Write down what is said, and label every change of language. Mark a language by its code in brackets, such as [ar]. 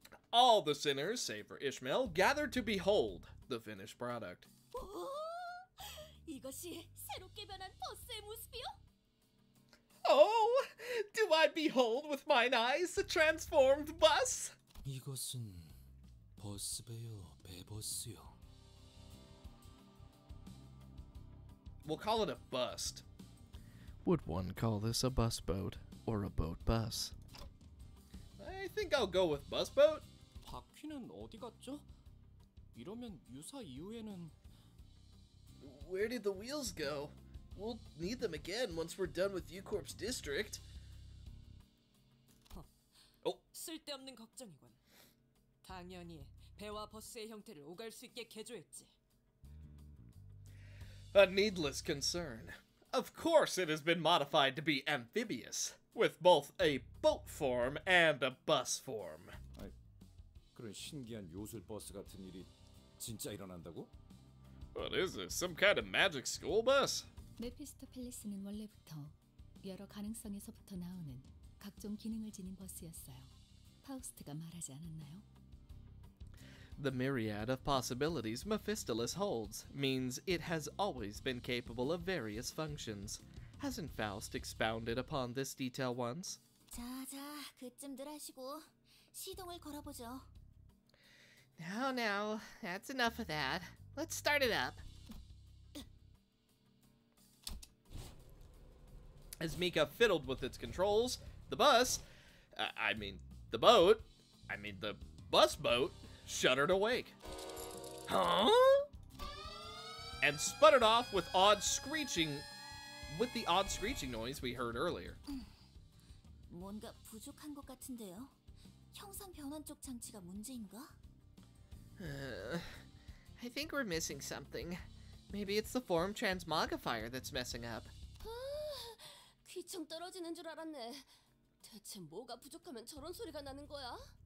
[en] All the sinners, save for Ishmael, gathered to behold the finished product. [ko] 오, 이것이 새롭게 변한 버스의 모습이요? [en] Oh, do I behold with mine eyes the transformed bus? [ko] 이것은 버스배요, 배버스요. [en] We'll call it a bust. Would one call this a bus boat or a boat bus? I think I'll go with bus boat. [ko] 바퀴는 어디 갔죠? 이러면 유사 이후에는... [en] Where did the wheels go? We'll need them again once we're done with U-Corp's district. [ko] 쓸데없는 걱정이군. 당연히 배와 버스의 형태를 오갈 수 있게 개조했지. [en] A needless concern. Of course it has been modified to be amphibious, with both a boat form and a bus form. [ko] 아니, 그런 신기한 요술 버스 같은 일이 진짜 일어난다고? [en] What is this? Some kind of magic school bus? [ko] 메피스토펠레스는 원래부터 여러 가능성에서부터 나오는 각종 기능을 지닌 버스였어요. 파우스트가 말하지 않았나요? [en] The myriad of possibilities Mephistolus holds means it has always been capable of various functions. Hasn't Faust expounded upon this detail once? [ko] 자, 그쯤들 하시고 시동을 걸어보죠. [en] Now, now, that's enough of that. Let's start it up. As Mika fiddled with its controls, the bus, the boat, the bus boat, shuddered awake. Huh? And sputtered off with odd screeching, with the odd screeching noise we heard earlier. [ko] 뭔가 부족한 것 같은데요? 형상 변환 쪽 장치가 문제인가? [en] I think we're missing something. Maybe it's the form transmogifier that's messing up. [ko] 귀청 떨어지는 줄 알았네. 대체 뭐가 부족하면 저런 소리가 나는 거야?